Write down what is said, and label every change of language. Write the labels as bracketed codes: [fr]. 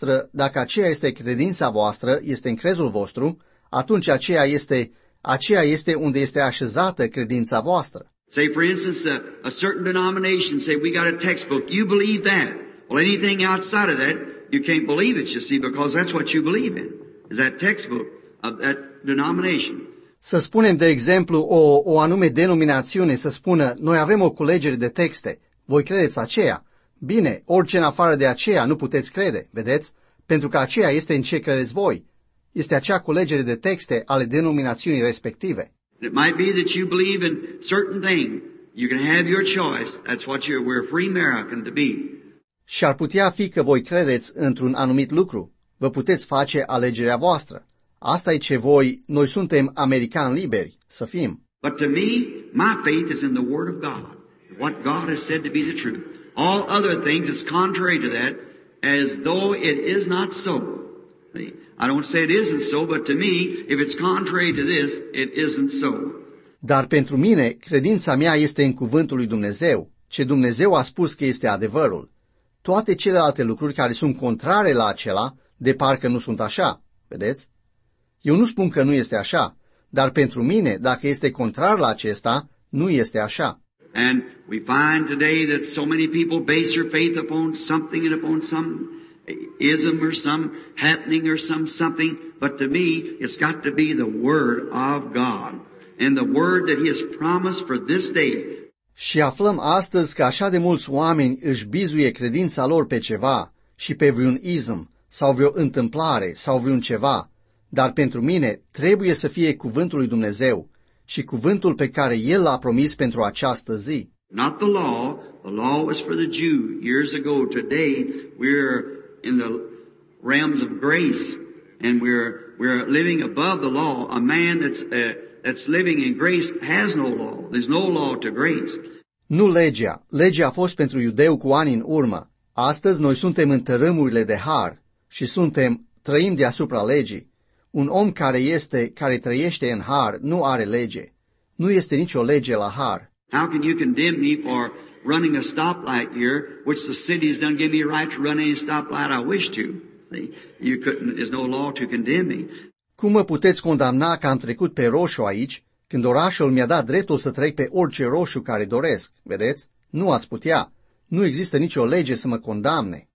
[ro] Dacă aceea este credința voastră, este în crezul vostru, atunci aceea este unde este așezată credința voastră. [en] Say for instance a certain denomination say we got a textbook, you believe that. Well, anything outside of that, you can't believe it, you see, because that's what you believe in. Is that textbook of that denomination. [ro] Să spunem, de exemplu, o anume denominațiune să spună, noi avem o culegere de texte, voi credeți aceea? Bine, orice în afară de aceea nu puteți crede, vedeți? Pentru că aceea este în ce credeți voi. Este acea culegere de texte ale denominațiunii respective. [en] It might be that you believe in certain thing. You can have your choice. That's what we're free American to be. [ro] Și ar putea fi că voi credeți într-un anumit lucru. Vă puteți face alegerea voastră. Asta e ce voi, noi suntem americani liberi, să fim. [en] But to me, my faith is in the Word of God, what God has said to be the truth. All other things is contrary to that, as though it is not so. I don't say it isn't so, but to me, if it's contrary to this, it isn't so. [ro] Dar pentru mine, credința mea este în cuvântul lui Dumnezeu, ce Dumnezeu a spus că este adevărul. Toate celelalte lucruri care sunt contrare la acela, de parcă nu sunt așa, vedeți? Eu nu spun că nu este așa, dar pentru mine, dacă este contrar la acesta, nu este așa. [en] And we find today that so many people base their faith upon something and upon some ism or some happening or some something, but to me, it's got to be the Word of God and the Word that He has promised for this day. [ro] Și aflăm astăzi că așa de mulți oameni își bizuie credința lor pe ceva și pe vreun ism sau vreo întâmplare sau vreun ceva. Dar pentru mine trebuie să fie cuvântul lui Dumnezeu și cuvântul pe care El l-a promis pentru această zi. [en] Not the law. The law was for the Jew years ago. Today we're in the realms of grace and we're living above the law. A man that's living in grace has no law. There's no law to grace. [ro] Nu legea. Legea a fost pentru iudeu cu ani în urmă. Astăzi noi suntem în tărâmurile de har și suntem, trăim deasupra legii. Un om care este, care trăiește în har, nu are lege. Nu este nicio lege la har. [en] How can you condemn me for running a stoplight here, which the city has done, give me a right to run any stoplight I wish to? You couldn't, there's no law to condemn me. [ro] Cum mă puteți condamna că am trecut pe roșu aici, când orașul mi-a dat dreptul să trec pe orice roșu care doresc, vedeți? Nu ați putea. Nu există nicio lege să mă condamne.